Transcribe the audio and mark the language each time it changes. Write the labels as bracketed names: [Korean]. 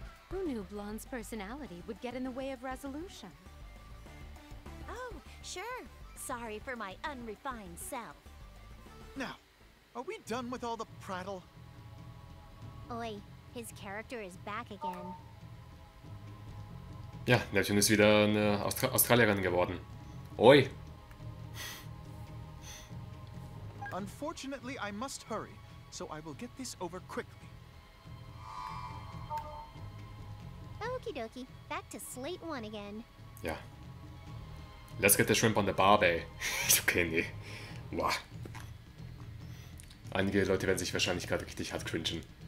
[English] Who knew Blonde's personality would get in the way of resolution? Oh, sure. Sorry for my unrefined self. Now, are we done with all the prattle? Oi, his character is back again. [German] Ja, Neptune ist wieder eine Australierin geworden. Oi. [English] Unfortunately, I must hurry, so I will get this over quickly. Okie dokie, back to slate one again. [German] Ja. [English] Let's get the shrimp on the barbie. [German] Okay, nee. Boah. Einige Leute werden sich wahrscheinlich gerade richtig hart cringen.